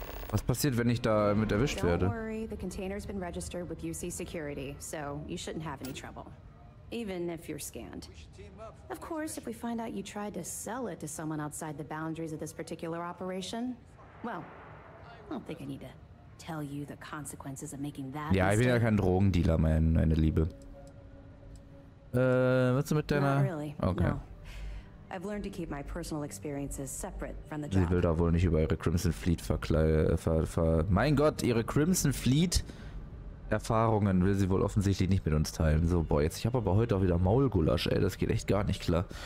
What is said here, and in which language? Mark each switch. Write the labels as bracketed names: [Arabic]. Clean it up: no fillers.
[German] Was passiert, wenn ich da mit erwischt werde? [English] Don't worry, the container's been registered with UC Security, so you shouldn't have any trouble. Even if you're scanned. Of course, if we find out you tried to sell it to someone outside the boundaries of this particular operation, well, I don't think I need to tell you the consequences of making that [German] Ja, ich bin ja kein Drogendealer, meine Liebe. Was ist mit deiner? Okay. [English] No. I've learned to keep my personal experiences separate from the job. [German] Sie will da wohl nicht über ihre Crimson Fleet mein Gott, ihre Crimson Fleet Erfahrungen will sie wohl offensichtlich nicht mit uns teilen. So, boah, jetzt, ich habe aber heute auch wieder Maulgulasch, ey, das geht echt gar nicht klar.